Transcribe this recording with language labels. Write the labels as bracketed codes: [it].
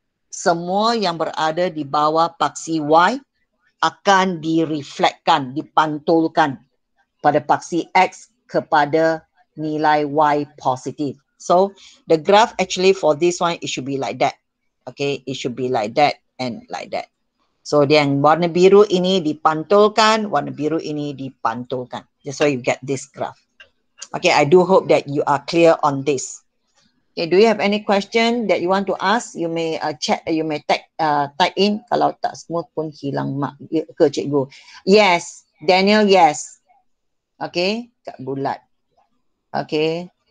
[ms] Semua yang berada di bawah paksi Y akan direflekkan, dipantulkan pada paksi X kepada nilai Y positif. [en] So, the graph actually for this one, it should be like that. Okay, it should be like that and like that. [ms] So, yang warna biru ini dipantulkan, warna biru ini dipantulkan. [en] That's why you get this graph. Okay, I do hope that you are clear on this. Okay, do you have any question that you want to ask? You may chat, you may type in. [ms] Kalau tak semua pun hilang mak ke cikgu. [en] Yes, Daniel, yes. Okay, [ms] kat bulat. [en] Okay.